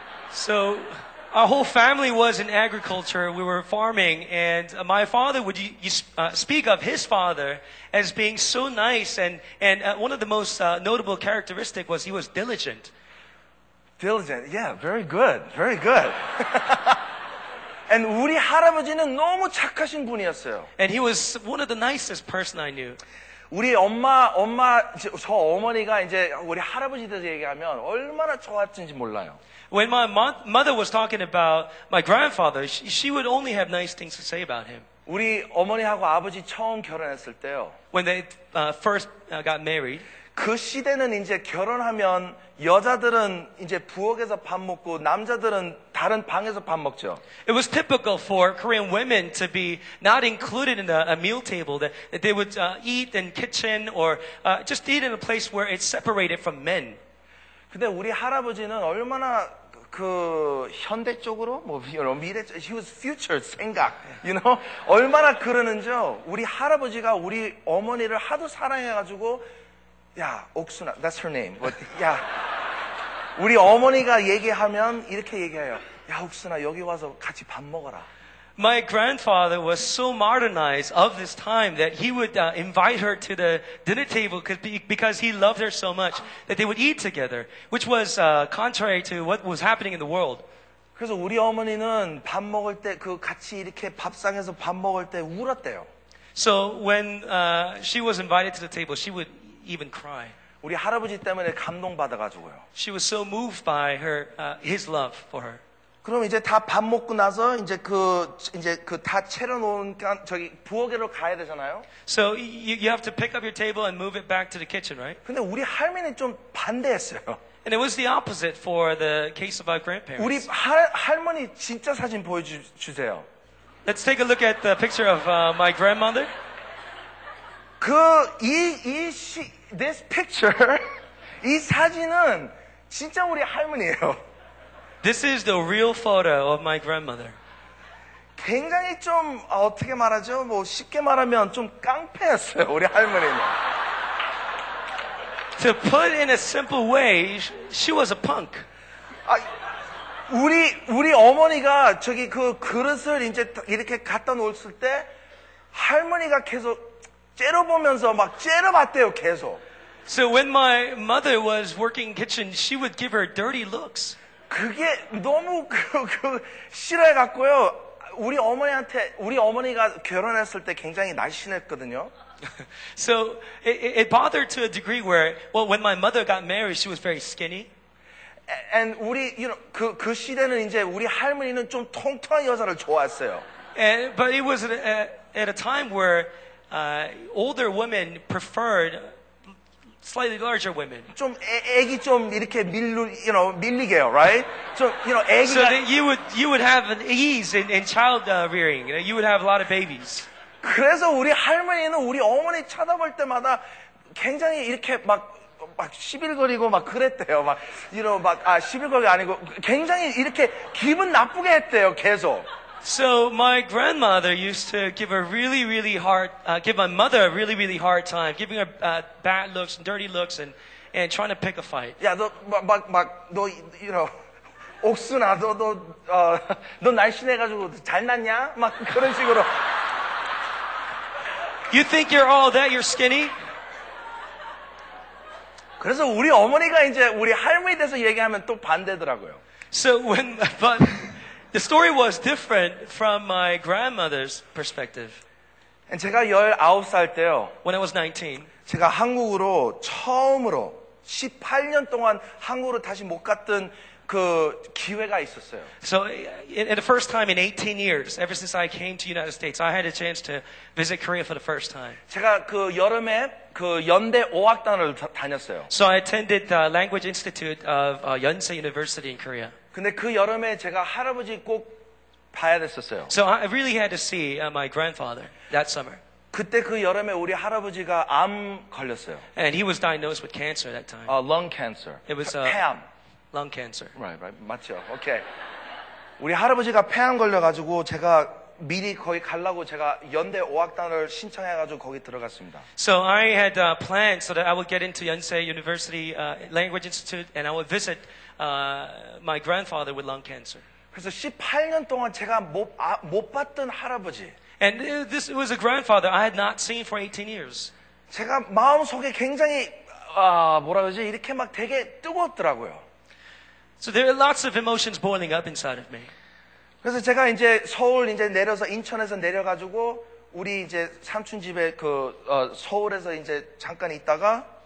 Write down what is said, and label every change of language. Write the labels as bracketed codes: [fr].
[en] So our whole family was in agriculture. We were farming, and my father would speak of his father as being so nice, and one of the most notable characteristic was he was diligent. Diligent, yeah, very good, very good. [ko] And 우리 할아버지는 너무 착하신 분이었어요. [en] And he was one of the nicest person I knew. [ko] 우리 엄마 저 어머니가 이제 우리 할아버지 대해서 얘기하면 얼마나 좋았는지 몰라요. [en] When my mother was talking about my grandfather, she would only have nice things to say about him. [ko] 우리 어머니하고 아버지 처음 결혼했을 때요. [en] When they first got married. [ko] 그 시대는 이제 결혼하면 여자들은 이제 부엌에서 밥 먹고 남자들은 다른 방에서 밥 먹죠. [en] It was typical for Korean women to be not included in a meal table that they would eat in kitchen or just eat in a place where it's separated from men. [ko] 근데 우리 할아버지는 얼마나 그 현대적으로 뭐 미래 [en] he was future [ko] 생각 [en] you know [ko] 얼마나 그러는지요. 우리 할아버지가 우리 어머니를 하도 사랑해 가지고 야, 옥순아, [en] that's her name. [ko] 야, 우리 어머니가 얘기하면 이렇게 얘기해요. 야, 옥순아, 여기 와서 같이 밥 먹어라. [en] My grandfather was so modernized of this time that he would invite her to the dinner table because he loved her so much that they would eat together, which was contrary to what was happening in the world. [ko] 그래서 우리 어머니는 밥 먹을 때 그 같이 이렇게 밥상에서 밥 먹을 때 울었대요. [en] So when she was invited to the table, she would even cry. [ko] 우리 할아버지 때문에 감동받아 가지고요. [en] She was so moved by his love for her. [ko] 그럼 이제 다 밥 먹고 나서 이제 그 다 채워놓은 저기 부엌으로 가야 되잖아요. [en] So you have to pick up your table and move it back to the kitchen, right? [ko] 근데 우리 할머니 좀 반대했어요. [en] And it was the opposite for the case of our grandparents. [ko] 우리 할머니 진짜 사진 보여주세요. [en] Let's take a look at the picture of my grandmother. This picture, [ko] 이 사진은 진짜 우리 할머니예요. [en] This is the real photo of my grandmother. [ko] 굉장히 좀 어떻게 말하죠? 뭐 쉽게 말하면 좀 깡패였어요, 우리 할머니는. [en] To put in a simple way, she was a punk. [ko] 아, 우리 어머니가 저기 그 그릇을 이제 이렇게 갖다 놓았을 때 할머니가 계속 째려보면서 막 째려봤대요, 계속. So when my mother was working kitchen, she would give her dirty looks. 그게 너무 그 싫어해 갖고요. 우리 어머니한테 우리 어머니가 결혼했을 때 굉장히 날씬했거든요. [en] So it bothered to a degree where well when my mother got married she was very skinny. [ko] And 우리 [en] you know [ko] 그 시대는 이제 우리 할머니는 좀 통통한 여자를 좋아했어요. [en] And, but it was at a time where older women preferred slightly larger women. [ko] 좀 애기 좀 이렇게 밀루 [en] you know [ko] 밀리게요, [en] right? [ko] 좀 [en] you know [ko] 애기가 [en] So that you would have an ease in child rearing. You know, you would have a lot of babies. [ko] 그래서 우리 할머니는 우리 어머니 쳐다볼 때마다 굉장히 이렇게 막 시빌거리고 막 그랬대요. 막 [en] you know [ko] 막 아 시빌거리 아니고 굉장히 이렇게 기분 나쁘게 했대요, 계속. [en] So my grandmother used to give her really, really hard, give my mother a really, really hard time, giving her bad looks, dirty looks, and trying to pick a fight. Yeah, [ko] 너 막 너 [en] you know, [ko] 옥순아, 너 날씬해가지고 잘났냐? 막 그런 식으로. [en] You think you're all that? You're skinny? [ko] 그래서 우리 어머니가 이제 우리 할머니 대해서 얘기하면 또 반대더라고요. [en] So when, but. The story was different from my grandmother's perspective. [ko] 제가 19살 때요. [en] When I was 19, [ko] 제가 한국으로 처음으로 18년 동안 한국으로 다시 못 갔던 그 기회가 있었어요. [en] So, in the first time in 18 years, ever since I came to United States, I had a chance to visit Korea for the first time. [ko] 제가 그 여름에 그 연대 어학단을 다녔어요. [en] So I attended the Language Institute of Yonsei University in Korea. [ko] 근데 그 여름에 제가 할아버지 꼭 봐야 됐었어요. [en] So I really had to see my grandfather that summer. [ko] 그때 그 여름에 우리 할아버지가 암 걸렸어요. [en] And he was diagnosed with cancer that time. Lung cancer. It was [ko] 폐암. [en] Lung cancer. Right. [ko] 맞죠. [en] Okay. [ko] 우리 할아버지가 폐암 걸려가지고 제가 미리 거기 가려고 제가 연대 어학단을 신청해가지고 거기 들어갔습니다. [en] So I had planned so that I would get into Yonsei University Language Institute and I would visit my grandfather with lung cancer. [ko] 그래서 18년 동안 제가 못 봤던 할아버지. [en] And this was a grandfather I had not seen for 18 years. [ko] 제가 마음 속에 굉장히 뭐라 그러지 이렇게 막 되게 뜨거웠더라고요. [en] So there are lots of emotions boiling up inside of me. [ko] 그래서 제가 이제 서울 이제 내려서 인천에서 내려가지고 우리 이제 삼촌 집에 그 서울에서 이제 잠깐 있다가.